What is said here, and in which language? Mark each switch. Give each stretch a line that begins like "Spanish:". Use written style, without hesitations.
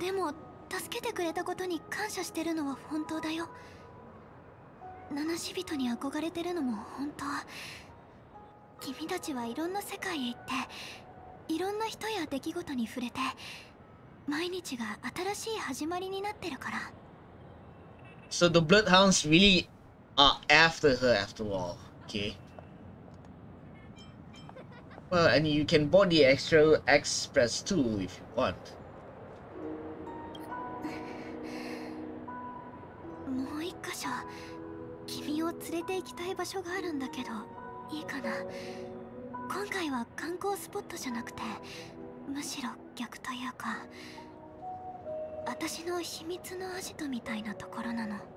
Japanese: でも助けてくれたことに感謝してるのは本当だよ。七死人に憧れてるのも本当。君たちはいろんな世界へ行って、いろんな人や出来事に触れて、毎日が新しい始まりになってるから。
English: So the bloodhounds really are after her after all. Okay. Well, and you can board the extra express too if you want.
Japanese: もう一箇所君を連れて行きたい場所があるんだけど、いいかな。今回は観光スポットじゃなくて、むしろ逆というか、私の秘密のアジトみたいなところなの。